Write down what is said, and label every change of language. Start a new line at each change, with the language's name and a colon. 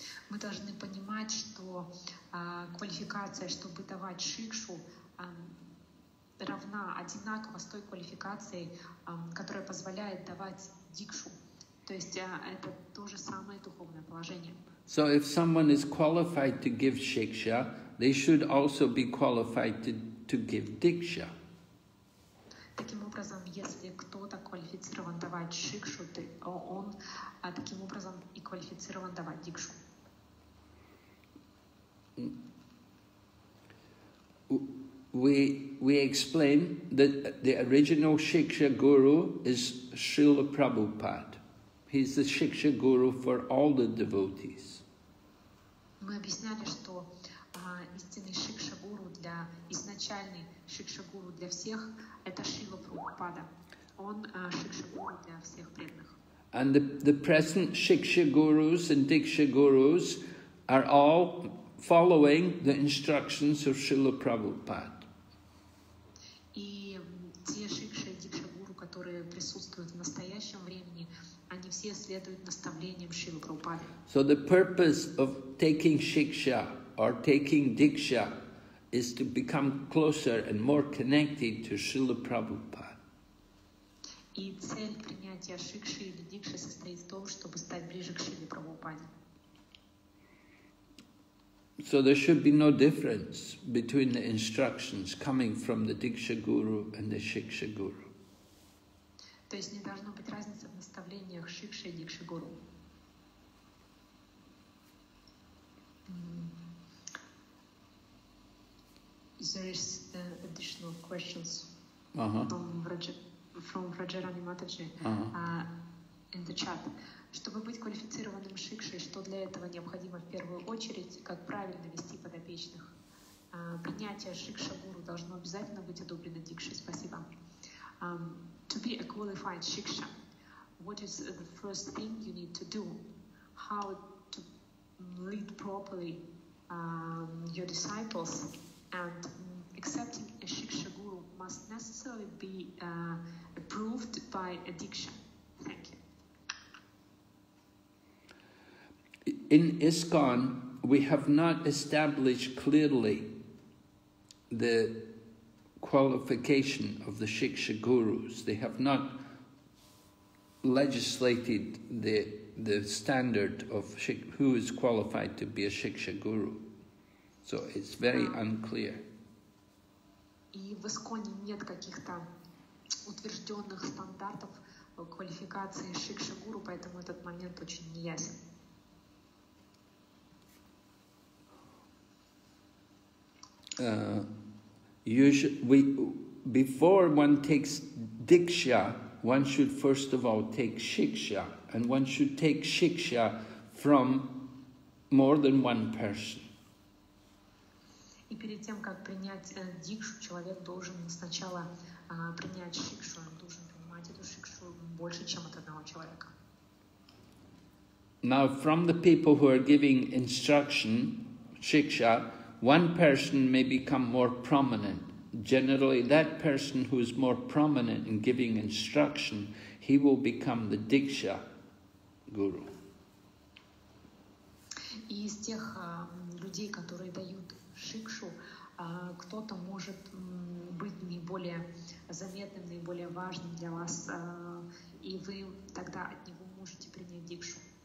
Russian: Мы должны понимать, что квалификация, чтобы давать шикшу, равна одинаково с той квалификацией, которая позволяет давать дикшу. То есть это то же самое духовное положение.
English: So if someone is qualified to give shiksha, they should also be qualified to give diksha.
Russian: Таким образом, если кто-то квалифицирован давать шикшу, то он таким образом и квалифицирован давать дикшу. W-
English: we explain that the original Shiksha Guru is Srila Prabhupada. He's the Shiksha Guru for all the devotees.
Russian: Мы объясняли, что истинный Шикша Гуру для изначальный Шикша Гуру для всех это Шрила Прабхупада. Он Шикша Гуру для всех преданных.
English: And the present Shiksha Gurus and Diksha Gurus are all following the instructions of Srila Prabhupada.
Russian: И те Шикша и Дикша Гуру, которые присутствуют в настоящем времени, они все следуют наставлениям Шрилы Прабхупады.
English: So the purpose of taking Shiksha or taking Diksha is to become closer and more connected to Srila Prabhupada.
Russian: И цель принятия шикши или дикши состоит в том, чтобы стать ближе к Шриле Прабхупаде.
English: So there should be no difference between the instructions coming from the Diksha Guru and the Shiksha Guru.
Russian: То есть не должно быть разницы в наставлениях шикши и дикши гуру.
English: There is additional questions from Rajarani Mataji in the chat.
Russian: Чтобы быть квалифицированным шикшей, что для этого необходимо в первую очередь, как правильно вести подопечных? Принятие шикша гуру должно обязательно быть одобрено дикшей. Спасибо.
English: To be a qualified shiksha, what is the first thing you need to do? How to lead properly your disciples? And accepting a shiksha guru must necessarily be approved by a diksha. Thank you. In ISKCON, we have not established clearly the qualification of the shiksha gurus. They have not legislated the standard of who is qualified to be a shiksha guru. So it's very unclear.
Russian: И в ИСКОНе нет каких-то утвержденных стандартов квалификации шикши гуру, поэтому этот момент очень неясен.
English: Before one takes diksha, one should first of all take shiksha, and one should take shiksha from more than one person.
Russian: И перед тем, как принять дикшу, человек должен сначала принять шикшу, он должен принимать эту шикшу больше, чем от одного человека.
English: Now, from the people who are giving instruction, shiksha, one person may become more prominent. Generally, that person who is more prominent in giving instruction, he will become the diksha guru.
Russian: И из тех людей, которые дают шикшу, кто-то может быть наиболее заметным, наиболее важным для вас, и вы тогда от него можете принять дикшу.